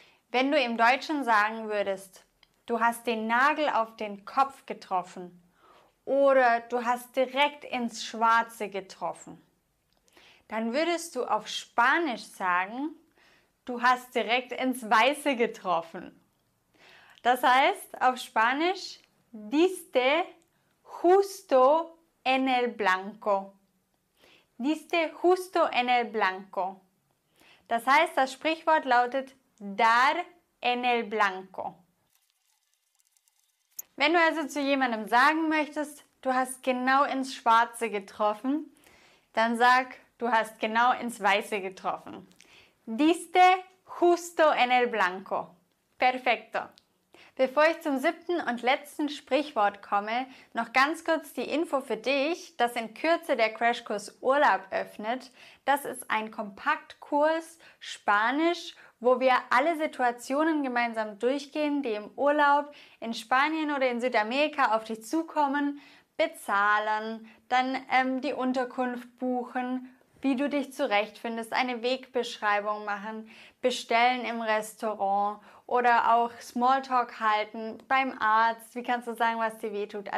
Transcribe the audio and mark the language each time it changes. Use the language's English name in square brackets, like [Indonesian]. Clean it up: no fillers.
[German] Wenn du im Deutschen sagen würdest, du hast den Nagel auf den Kopf getroffen oder du hast direkt ins Schwarze getroffen, dann würdest du auf Spanisch sagen, du hast direkt ins Weiße getroffen. Das heißt auf Spanisch, [Spanish] diste justo en el blanco. Diste justo en el blanco. [German] Das heißt, das Sprichwort lautet [Spanish] dar en el blanco. [German] Wenn du also zu jemandem sagen möchtest, du hast genau ins Schwarze getroffen, dann sag, du hast genau ins Weiße getroffen. [Spanish] Diste justo en el blanco. Perfecto. [German] Bevor ich zum 7. und letzten Sprichwort komme, noch ganz kurz die Info für dich, dass in Kürze der Crashkurs Urlaub öffnet. Das ist ein Kompaktkurs Spanisch, wo wir alle Situationen gemeinsam durchgehen, die im Urlaub in Spanien oder in Südamerika auf dich zukommen, bezahlen, dann die Unterkunft buchen, wie du dich zurechtfindest, eine Wegbeschreibung machen, bestellen im Restaurant oder auch Smalltalk halten beim Arzt, wie kannst du sagen, was dir wehtut.